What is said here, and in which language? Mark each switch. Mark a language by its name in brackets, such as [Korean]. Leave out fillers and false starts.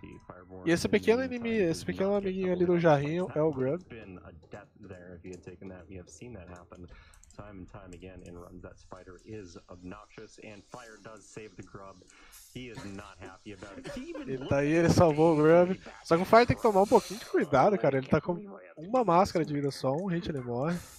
[Portuguese] E esse pequeno inimigo, esse pequeno amiguinho ali do jarrinho é o Grub. [English] Time and time again in runs, that spider is obnoxious, and Fire does save the grub. He is not happy about it. [Portuguese] Daí ele salvou o grub. Só que o Fire tem que tomar um pouquinho de cuidado, cara. Ele tá com uma máscara de vida só, um hit ele morre.